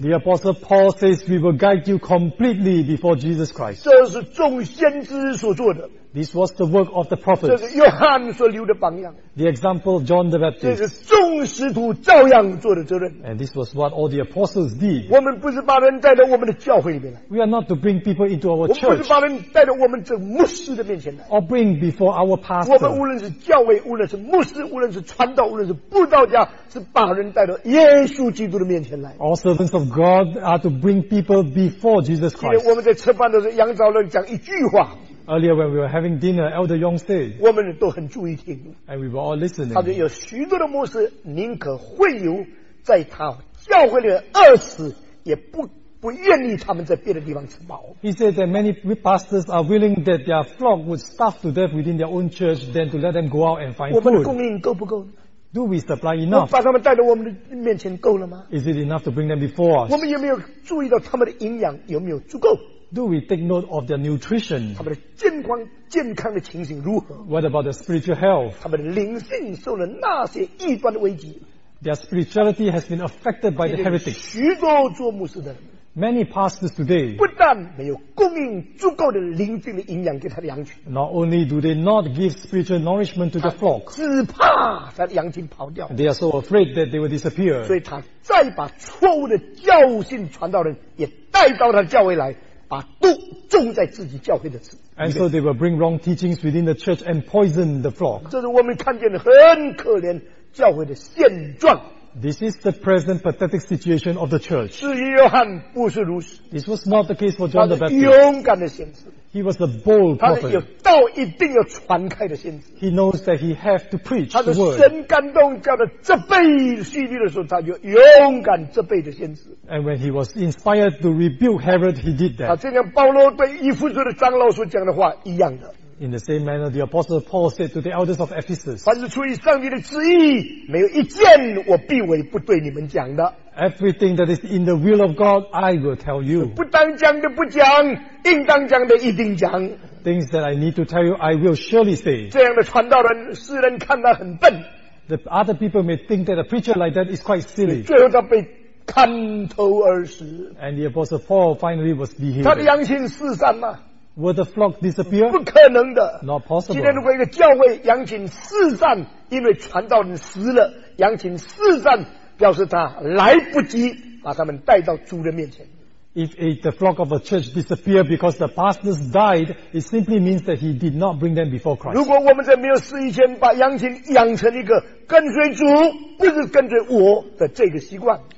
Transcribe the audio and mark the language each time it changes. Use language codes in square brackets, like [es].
[en] The apostle Paul says, "We will guide you completely before Jesus Christ." [zh] 这是众先知所做的。 [en] This was the work of the prophets. [zh] 这是约翰所留的榜样。 [en] The example of John the Baptist. [zh] 这是众使徒照样做的责任。 [en] And this was what all the apostles did. [zh] 我们不是把人带到我们的教会里面来。 [en] We are not to bring people into our church. [zh] 我们不是把人带到我们这牧师的面前来。 [en] Or bring before our pastor. [zh] 我们无论是教会，无论是牧师，无论是传道，无论是布道家，是把人带到耶稣基督的面前来。 [en] All servants of God are to bring people before Jesus Christ. [zh] 今天我们在吃饭的时候，杨长老讲一句话。 [en] Earlier when we were having dinner, Elder Yong said, [zh] 我们都很注意听。 [en] And we were all listening. [zh] 他说有许多的牧师宁可会有在他教会里饿死，也不愿意他们在别的地方吃饱。 [en] He said that many pastors are willing that their flock would starve to death within their own church than to let them go out and find food. [zh] 我们的供应够不够？ [en] Do we supply enough? [zh] 把他们带到我们的面前够了吗？ [en] Is it enough to bring them before us? [zh] 我们有没有注意到他们的营养有没有足够？ [en] Do we take note of their nutrition? [zh] 他们的健康的情形如何？ [en] What about their spiritual health? [zh] 他们的灵性受了那些异端的危机？ [en] Their spirituality has been affected by the heretics. [zh] 许多做牧师的人， [en] Many pastors today, [zh] 不但没有供应足够的灵性的营养给他的羊群， [en] Not only do they not give spiritual nourishment to the flock, [zh] 只怕他的羊群跑掉， [en] They are so afraid that they will disappear. [zh] 所以他再把错误的教训传道人也带到他的教会来，把毒种在自己教会的池。 [en] And so they will bring wrong teachings within the church and poison the flock. [zh] 这是我们看见的很可怜教会的现状。 [en] This is the present pathetic situation of the church. [zh] 是约翰不是如此。 [en] This was not the case for John the Baptist. [zh] 他是勇敢的先知。 [en] He was a bold prophet. [zh] 他是有道一定要传开的先知。 [en] He knows that he has to preach the word. [zh] 他是神感动叫他责备叙利亚的时候，他就勇敢责备的先知。 [en] And when he was inspired to rebuke Herod, he did that. [zh] 他就像保罗对以弗所的长老所讲的话一样的。 [en] In the same manner, the apostle Paul said to the elders of Ephesus, [zh] 凡是出于上帝的旨意，没有一件我必为不对你们讲的。 [en] Everything that is in the will of God, I will tell you. [zh] 不当讲的不讲，应当讲的一定讲。 [en] Things that I need to tell you, I will surely say. [zh] 这样的传道人，世人看他很笨。 [en] The other people may think that a preacher like that is quite silly. [zh] 最后他被砍头而死。 [en] And the apostle Paul finally was beheaded. [zh] 他的羊群四散了。 [en] Will the flock disappear? [zh] 不可能的。 [en] Not possible. [zh] 今天如果一个教会羊群四散，因为传道人死了，羊群四散，表示他来不及把他们带到主的面前。 [en] If the flock of a church disappeared because the pastors died, it simply means that he did not bring them before Christ. [zh] 如果我们在没有事以前把羊群养成一个跟随主，不是跟随我的这个习惯。